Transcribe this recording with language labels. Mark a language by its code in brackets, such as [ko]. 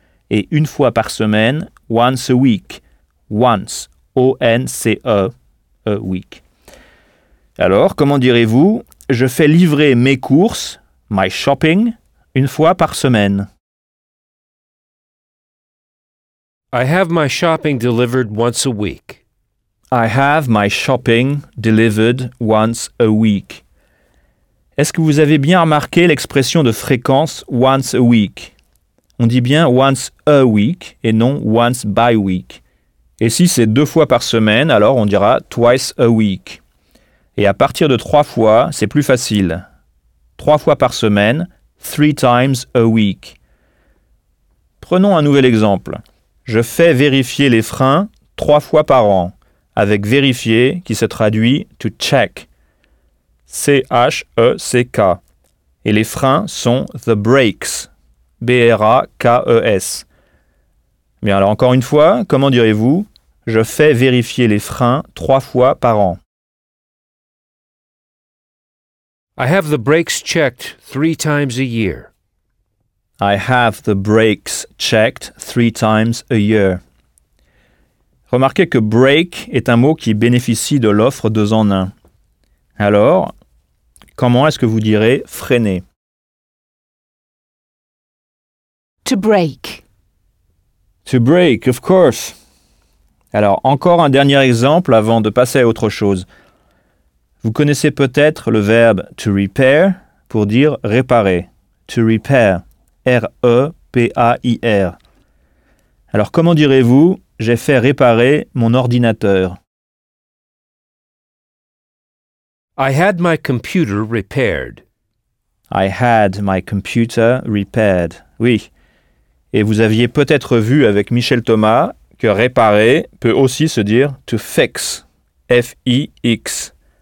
[fr] Et une fois par semaine, [en] once a week. Once. [fr] O-N-C-E. A week. Alors, comment direz-vous « Je fais livrer mes courses, [en] my shopping, [fr] une fois par semaine. » [en] I have my shopping delivered once a week. I have my shopping delivered once a week. [fr] Est-ce que vous avez bien remarqué l'expression de fréquence « [en] once a week » ? [fr] On dit bien « [en] once a week [fr] » et non « [en] once by week ». [fr] Et si c'est deux fois par semaine, alors on dira « [en] twice a week ». [fr] Et à partir de trois fois, c'est plus facile. Trois fois par semaine, [en] three times a week. [fr] Prenons un nouvel exemple. Je fais vérifier les freins trois fois par an, avec vérifier qui se traduit [en] to check. [fr] C-H-E-C-K. Et les freins sont [en] the brakes. [fr] B-R-A-K-E-S. Bien, alors encore une fois, comment direz-vous ? Je fais vérifier les freins trois fois par an. [en] I have the brakes checked three times a year. I have the brakes checked three times a year. [fr] Remarquez que break est un mot qui bénéficie de l'offre deux en un. Alors, comment est-ce que vous direz freiner? [en] To break. To break, of course. [fr] Alors, encore un dernier exemple avant de passer à autre chose. Vous connaissez peut-être le verbe « to repair » pour dire « réparer ».« [en] To repair [fr] », R-E-P-A-I-R. Alors, comment direz-vous « j'ai fait réparer mon ordinateur »? [en] I had my computer repaired. I had my computer repaired. [fr] Oui. Et vous aviez peut-être vu avec Michel Thomas que « réparer » peut aussi se dire « [en] to fix [fr] », F-I-X.